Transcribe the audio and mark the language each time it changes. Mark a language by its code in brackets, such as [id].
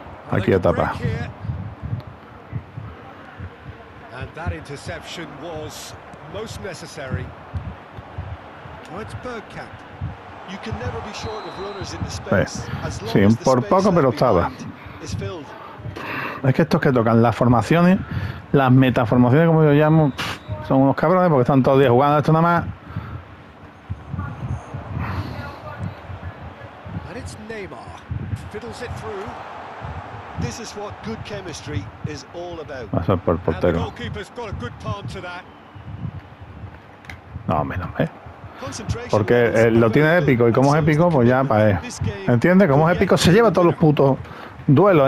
[es] Aquí etapa. [en] And that interception was most necessary. It's Bergkamp. You can never be short of runners in the space. [es] Sí, por poco, pero estaba. Es que estos que tocan las formaciones, las metaformaciones, como yo llamo, son unos cabrones porque están todos los días jugando esto nada más. [en] And it's Neymar. Fiddles it through. This is what good chemistry is all about. [es] Va a ser por el portero. [en] And the goalkeeper's got a good palm to that. [es] No, menos, porque lo tiene épico. Y como es épico, pues ya para él. ¿Entiendes? Como es épico, se lleva todos los putos duelos.